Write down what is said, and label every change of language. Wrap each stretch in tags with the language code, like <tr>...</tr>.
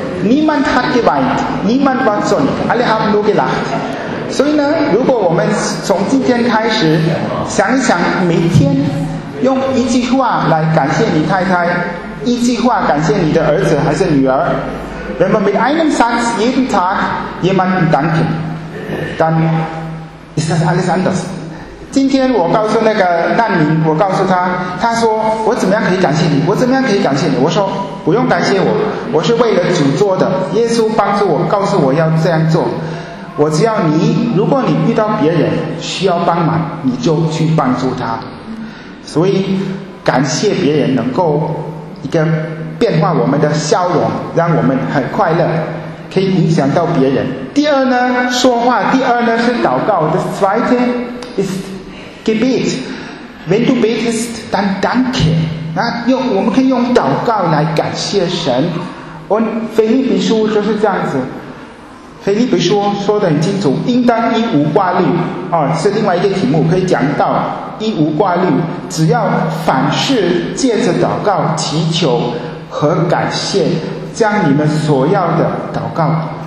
<de>Niemand war zornig, alle haben nur gelacht.</de> <zh>所以呢，如果我们从今天开始想一想，每天用一句话来感谢你太太，一句话感谢你的儿子还是女儿。</zh> <de>Wenn man mit einem Satz jeden Tag jemanden danken, dann ist das alles anders.</de> <zh>今天我告诉那个难民，我告诉他，他说我怎么样可以感谢你，我怎么样可以感谢你，我说不用感谢我，我是为了主做的，耶稣帮助我，告诉我要这样做。我只要你，如果你遇到别人需要帮忙，你就去帮助他。所以感谢别人能够一个变化我们的笑容，让我们很快乐，可以影响到别人。第二呢，说话，第二呢是祷告。</zh> <de>Das zweite ist Gebet. Wenn du betest, dann danke.</de> <zh>那用我们可以用祷告来感谢神。我腓立比书就是这样子，腓立比书说得很清楚，应当一无挂虑、是另外一个题目可以讲到一无挂虑，只要凡事借着祷告祈求和感谢将你们所要的祷告。</zh>